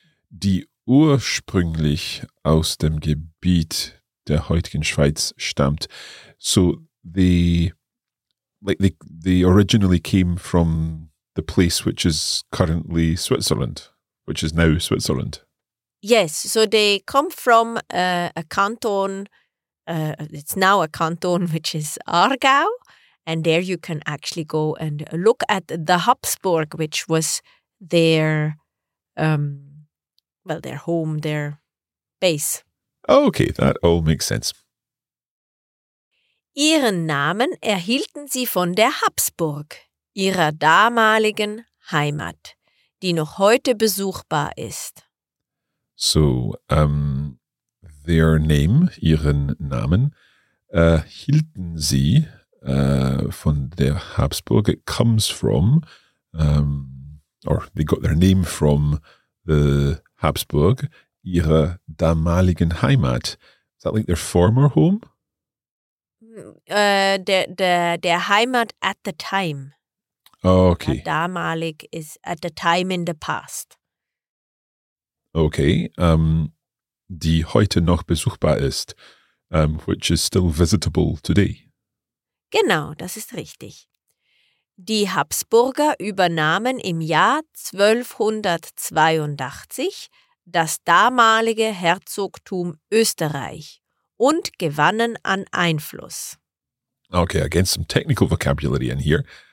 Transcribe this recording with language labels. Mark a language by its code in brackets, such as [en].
[de] Die ursprünglich aus dem Gebiet der heutigen Schweiz stammt. [en] So they originally came from the place which is currently Switzerland, which is now Switzerland. Yes, so they come from a canton, it's now a canton which is Aargau, and there you can actually go and look at the Habsburg, which was their... well, their home, their base. Okay, that all makes sense. [de] Ihren Namen erhielten sie von der Habsburg, ihrer damaligen Heimat, die noch heute besuchbar ist. [en] So, their name, [de] ihren Namen, erhielten sie von der Habsburg. [en] It comes from, or they got their name from the Habsburg, [de] ihre damaligen Heimat. [en] Is that like their former home? [de] Der Heimat [en] at the time. Okay. Damalig is at the time in the past. Okay. [de] Die heute noch besuchbar ist, [en] which is still visitable today. [de] Genau, das ist richtig. Die Habsburger übernahmen im Jahr 1282 das damalige Herzogtum Österreich und gewannen an Einfluss. [en] Okay, against some technical vocabulary in here.